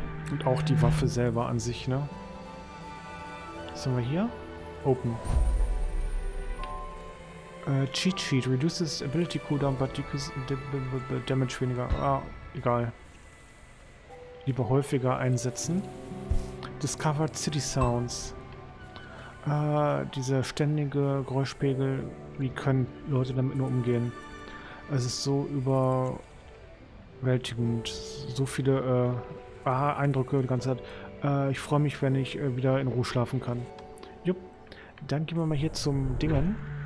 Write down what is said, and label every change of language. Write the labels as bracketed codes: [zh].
[de] Und auch die Waffe selber an sich, ne? Was sind wir hier? Open. [en] Cheat Sheet reduces ability cooldown, but decreases damage [de] weniger. Ah, egal. Lieber häufiger einsetzen. [en] Discovered City Sounds. [de] Dieser ständige Geräuschpegel. Wie können Leute damit nur umgehen? Es ist so überwältigend. So viele Eindrücke die ganze Zeit. Ich freue mich, wenn ich wieder in Ruhe schlafen kann. Jupp. Dann gehen wir mal hier zum Dingen.